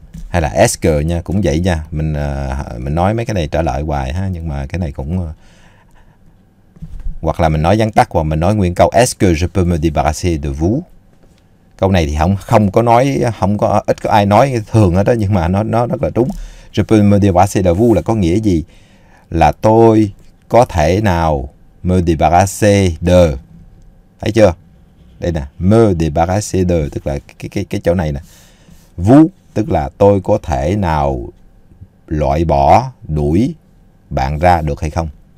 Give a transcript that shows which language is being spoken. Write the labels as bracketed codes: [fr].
[vi] Hay là [fr] est-ce que [vi] nha, cũng vậy nha. Mình nói mấy cái này trả lời hoài ha, nhưng mà cái này cũng... Hoặc là mình nói vắn tắt, hoặc mình nói nguyên câu [fr] est-ce que je peux me débarrasser de vous. [vi] Câu này thì không có nói, không có, ít có ai nói thường ở đó, nhưng mà nó rất là đúng. [fr] Je peux me débarrasser de vous [vi] là có nghĩa gì? Là tôi có thể nào [fr] me débarrasser de. [vi] Thấy chưa? Đây nè, [fr] me débarrasser de [vi] tức là cái chỗ này nè. Vous tức là tôi có thể nào loại bỏ, đuổi bạn ra được hay không?